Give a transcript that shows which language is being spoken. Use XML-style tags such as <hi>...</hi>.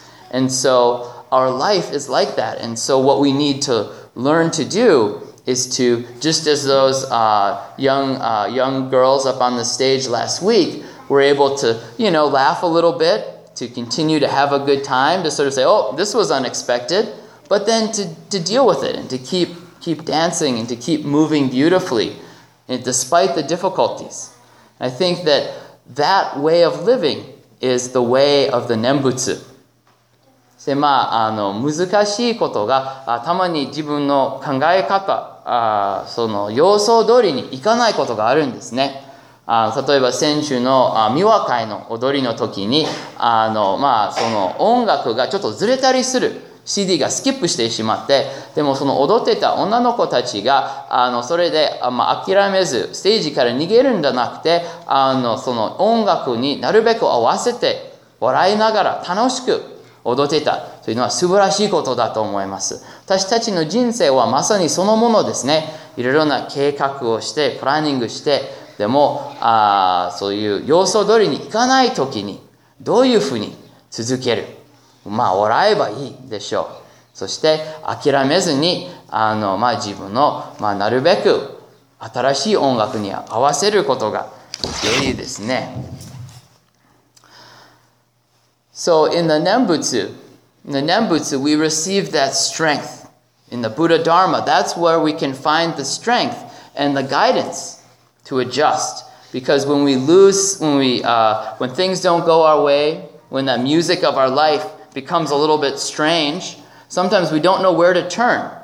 <en>And so our life is like that. And so what we need to learn to do is to, just as those young girls up on the stage last week were able to, you know, laugh a little bit, to continue to have a good time, to sort of say, oh, this was unexpected, but then to deal with it and to keep dancing and to keep moving beautifully and despite the difficulties. I think that that way of living is the way of the Nembutsu.</en> <ja>で、まあ、あの、難しいことが、たまに自分の考え方、その、様相通りにいかないことがあるんですね。例えば、先週の、美和会の踊りの時に、まあ、その、音楽がちょっとずれたりする。 CD がスキップしてしまって、でもその踊ってた女の子たちが、それで、まあ、諦めず、ステージから逃げるんじゃなくて、その、音楽になるべく合わせて、笑いながら楽しく、踊っていたというのは素晴らしいことだと思います。私たちの人生はまさにそのものですね。いろいろな計画をして、プランニングして、でも、そういう要素通りにいかないときに、どういうふうに続ける。まあ、笑えばいいでしょう。そして、諦めずに、まあ、自分の、まあ、なるべく新しい音楽に合わせることが、良いですね。</ja> <en>So in the Nembutsu, we receive that strength. In the Buddha Dharma, that's where we can find the strength and the guidance to adjust. Because when we lose, when things don't go our way, when that music of our life becomes a little bit strange, sometimes we don't know where to turn.</en>